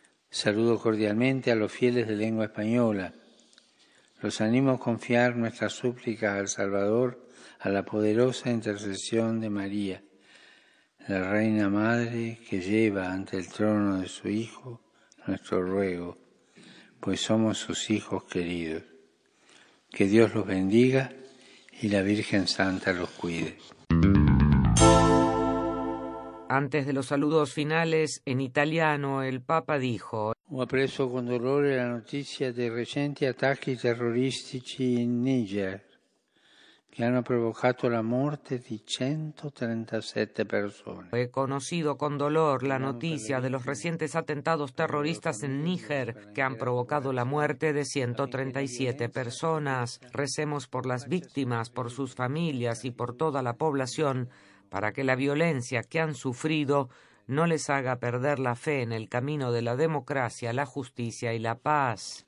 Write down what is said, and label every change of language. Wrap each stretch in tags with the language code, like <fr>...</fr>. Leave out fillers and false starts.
<es>Saludo cordialmente a los fieles de lengua española. Los animo a confiar nuestra súplica al Salvador a la poderosa intercesión de María, la Reina Madre que lleva ante el trono de su Hijo nuestro ruego, pues somos sus hijos queridos. Que Dios los bendiga y la Virgen Santa los cuide. Antes de los saludos finales, en italiano, el Papa dijo:</es> <it>«Ho appreso con dolore la notizia dei recenti attacchi terroristici in Niger, che hanno provocato la morte di 137 persone».</it> <es>«He conocido con dolor la noticia de los recientes atentados terroristas en Níger, que han provocado la muerte de 137 personas. Recemos por las víctimas, por sus familias y por toda la población, para que la violencia que han sufrido no les haga perder la fe en el camino de la democracia, la justicia y la paz».</es>